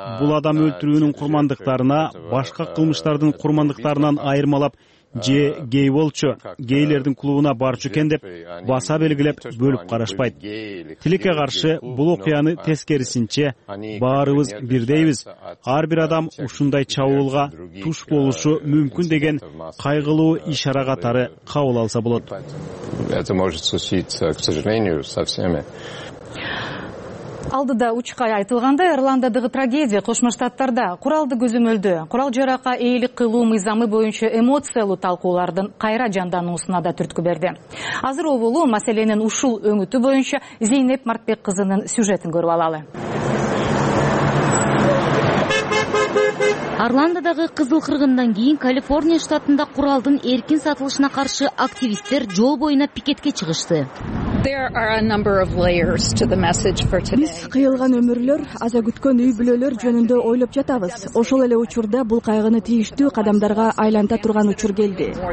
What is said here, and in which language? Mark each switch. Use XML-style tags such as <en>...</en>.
<ky>Бул адам өлтүрүүнүн курмандыктарына, башка кылмыштардын курмандыктарынан айырмалап же гей болчу, гейлердин клубуна барчу экен деп баса белгилеп бөлүп карашпайт. Тилекке каршы бул окуяны тескерисинче баарыбыз бирдейбиз. Ар бир адам ушундай чабуулга туш болушу мүмкүн деген кайгылуу ишара катары кабыл алса болот.</ky> <ru>Это может случиться, к сожалению, со всеми.</ru> <ky>Алдыда учкай айтылгандай, Ирландадагы трагедия Кошмо Штаттарда куралды көзөмөлдө, курал жарака ээлик кылуу мыйзамы боюнча эмоциялуу талкуулардын кайра жандануусуна да түрткү берди. Азыр оболу маселенин ушул өңүтү боюнча Зейнеп Мартбек кызынын сюжетин көрүп алалы. Арландадагы кызыл кыргындан кийин Калифорния штатында куралдын эркин сатылышына каршы активисттер жол боюна пикетке чыгышты.</ky> <en>There are a number of layers to the message for today.</en> <ky>Биз кыйылган өмүрлөр, аза күткөн үй-бүлөлөр жөнүндө ойлоп жатабыз. Ошол эле учурда бул кайгыны тийиштүү кадамдарга айланта турган учур келди.</ky>